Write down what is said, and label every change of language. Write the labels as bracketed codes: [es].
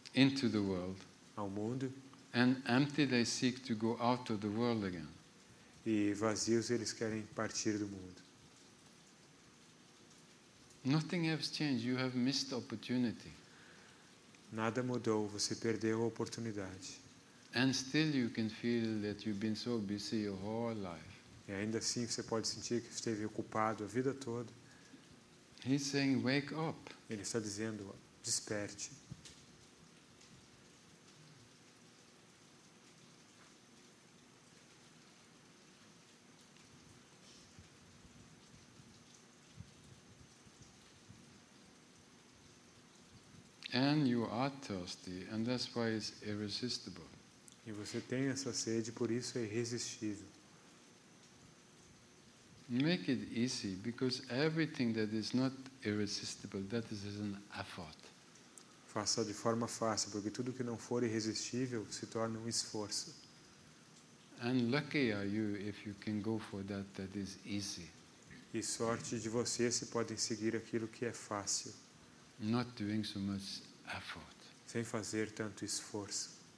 [en] Into the world. [pt] Ao mundo. [en] And empty they seek to go out of the world again. [pt] E vazios eles querem partir do mundo. [en] Nothing has changed. You have missed the opportunity. [pt] Nada mudou, você perdeu a oportunidade. [en] And still you can feel that you've been so busy your whole life. [pt] E ainda assim você pode sentir que esteve ocupado a vida toda. [en] He's saying, wake up. [pt] Ele está dizendo, desperte. [en] And you are thirsty, and that's why it's irresistible. [pt] E você tem essa sede, por isso é irresistível. [en] Make it easy, because everything that is not irresistible, that is an effort. [pt] Faça de forma fácil, porque tudo que não for irresistível se torna um esforço. [en] And lucky are you if you can go for that is easy. [pt] E sorte de você se podem seguir aquilo que é fácil. [en] Not doing so much effort. [pt] Sem fazer tanto esforço.